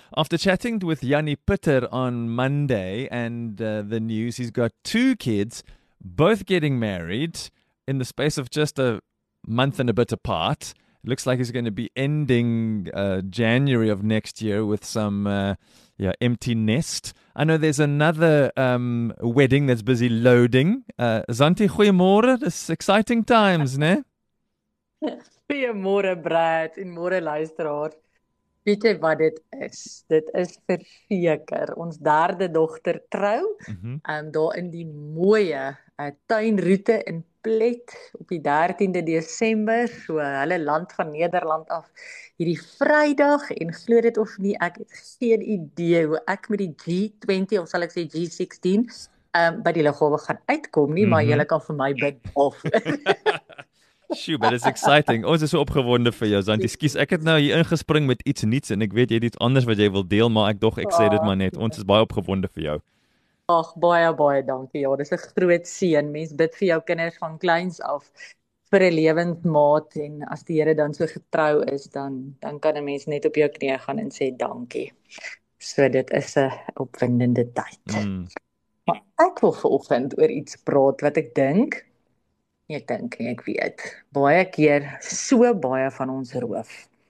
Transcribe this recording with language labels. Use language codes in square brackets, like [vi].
[en] After chatting with Yanni Pitter on Monday and the news, he's got two kids, both getting married in the space of just a month and a bit apart. It looks like he's going to be ending January of next year with some empty nest. I know there's another wedding that's busy loading. Zanti, [af] goeiemôre. [en] This is exciting times, ne? [af] Goeiemôre, Brad, en môre luisteraar. Weet jy wat dit is? Dit is verseker. Ons derde dogter trou daar in die mooie tuinroete in Plet op die 13de Desember, so hulle land van Nederland af hierdie Vrydag. En glo dit of nie, ek het geen idee hoe ek met die G20, of sal ek sê G16, by die liggawe gaan uitkom nie, maar julle kan vir my bid of. [en] Sjoe, but it's exciting. [af] Ons is so opgewonde vir jou, Zanti. Skies, ek het nou hier ingespring met iets niets en ek weet jy het iets anders wat jy wil deel, maar ek dog ek sê dit maar net. Ons is baie opgewonde vir jou. Ag, baie, baie dankie. Ja, dis 'n groot seën. Mens bid vir jou kinders van kleins af vir 'n lewend maat en as die Here dan so getrou is, dan kan 'n mens net op jou knieë gaan en sê dankie. So dit is 'n opwindende tyd. Maar ek wil vanoggend oor iets praat wat ek dink Ek dink, ek weet, baie keer so baie van ons roof.